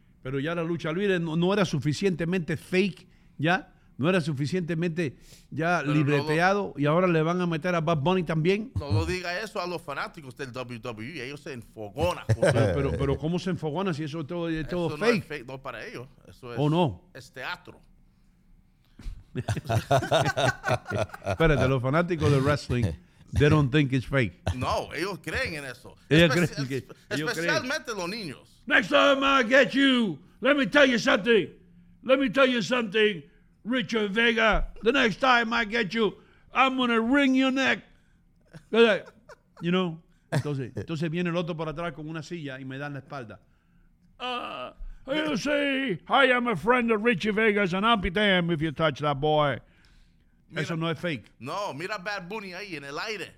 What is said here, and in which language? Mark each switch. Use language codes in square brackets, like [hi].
[es] Pero ya la lucha libre no era suficientemente fake, ¿ya? No era suficientemente ya pero libreteado y ahora le van a meter a Bad Bunny también. No lo diga eso a los fanáticos del WWE, ellos se enfogonan. pero ¿cómo se enfogona si eso es todo, eso todo no fake? Eso no es fake, no para ellos. Eso es, ¿o no? Es teatro. Espérate, los fanáticos de wrestling, [en] they don't think it's fake. [es] No, ellos creen en eso. Especialmente los niños. [en] Next time I get you, let me tell you something. Let me tell you something. Richard Vega, the next time I get you, I'm going to wring your neck. You know? [es] Entonces viene el otro para atrás con una silla y me dan la espalda. [en] You see, I am a friend of Richard Vega's and I'll be damned if you touch that boy. [es] Mira, eso no es fake. No, mira Bad Bunny ahí en el aire.